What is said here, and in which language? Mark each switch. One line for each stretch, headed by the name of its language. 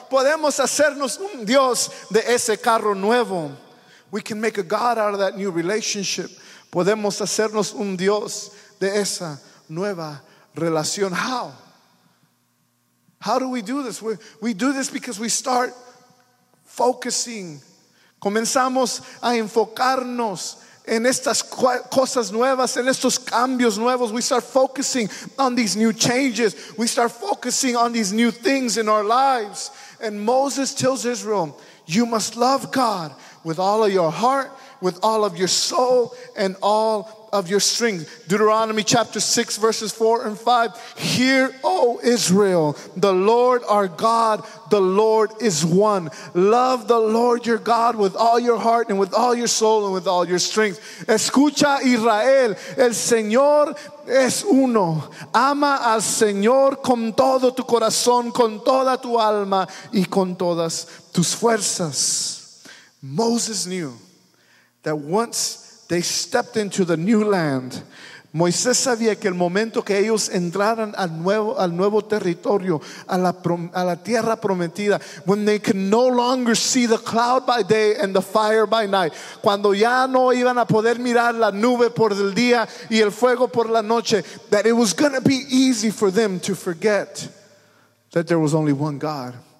Spanish: Podemos hacernos un Dios de ese carro nuevo.
English: We can make a God out of that new relationship.
Spanish: Podemos hacernos un Dios de esa nueva relación.
English: How? How do we do this? We do this because we start focusing.
Spanish: Comenzamos a enfocarnos en estas cosas nuevas, en estos cambios nuevos.
English: We start focusing on these new changes. We start focusing on these new things in our lives. And Moses tells Israel, you must love God with all of your heart, with all of your soul, and all of your strength. Deuteronomy chapter 6 verses 4 and 5. Hear, O Israel, the Lord our God, the Lord is one. Love the Lord your God with all your heart and with all your soul and with all your strength.
Spanish: Escucha, Israel, el Señor es uno. Ama al Señor con todo tu corazón, con toda tu alma y con todas tus fuerzas.
English: Moses knew that once they stepped into the new land.
Spanish: Moisés sabía que el momento que ellos entraran al nuevo territorio, a la tierra prometida,
English: when they could no longer see the cloud by day and the fire by night,
Spanish: cuando ya no iban a poder mirar la nube por el día y el fuego por la noche,
English: that it was going to be easy for them to forget that there was only one God.